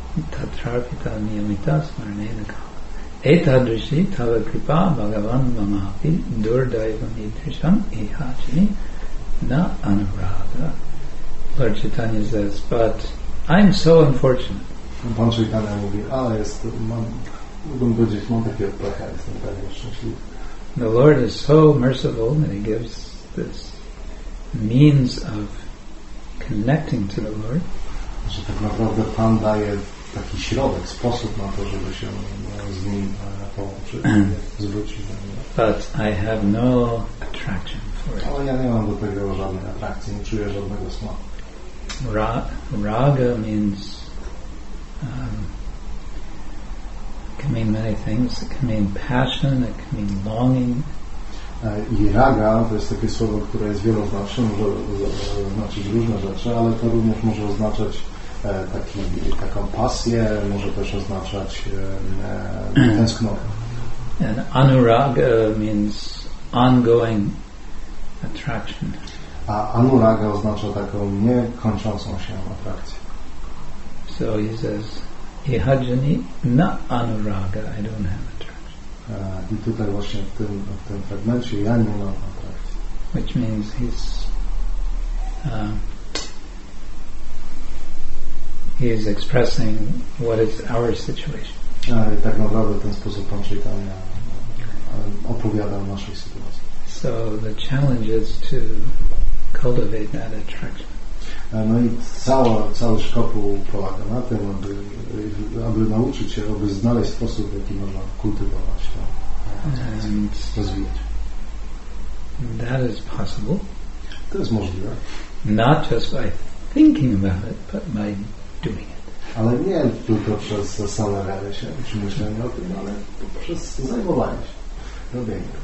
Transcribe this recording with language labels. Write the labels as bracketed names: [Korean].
[Sanskrit] Tatrapita niyamita smarnena kala. Etadrishi tava kripa bhagavan mamapi durdaivam idrisham ihachini na anuraga. [English] Lord Chaitanya says, but I'm so unfortunate. [Polish] Pan Chaitanya mówi, ale jest, mógłbym powiedzieć, mam taki odpłacha, jestem prawie szczęśliwy. [English] The Lord is so merciful that he gives this means of connecting to the Lord. [Polish] Że tak naprawdę Pan daje taki środek, sposób na to, żeby się z nim połączyć, zwrócić do niego. [English] But I have no attraction for it. [Polish] Ale ja nie mam do tego żadnej atrakcji, nie czuję żadnego smaku. [English] Raga means can mean many things. It can mean passion, it can mean longing. [Polish] I raga to jest takie słowo, które jest wieloznaczne, może znaczyć różne rzeczy, ale to również może oznaczać taką pasję, może też oznaczać tęsknotę. [English] And anuraga means ongoing attraction. [Polish] A anuraga oznacza taką niekończącą się atrakcję. [English] So he says, [Sanskrit] ihajani na anuraga, [English] I don't have attraction. [Polish] I tutaj właśnie w tym fragmencie ja nie mam atrakcji. [English] Which means he is expressing what is our situation. [Polish] I tak naprawdę ten sposób Pan Chaitanya opowiada o naszej sytuacji. [English] So the challenge is to cultivate that attraction. [Polish] No i cały szkopuł polega na tym, aby nauczyć się, aby znaleźć sposób, w jaki można kultywować to, rozwijać. [English] That is possible. [Polish] To jest możliwe. [English] Not just by thinking about it, but by doing it. [Polish] Ale nie tylko przez same rady się, czy myślenie o tym, ale poprzez zajmowanie się, robienie.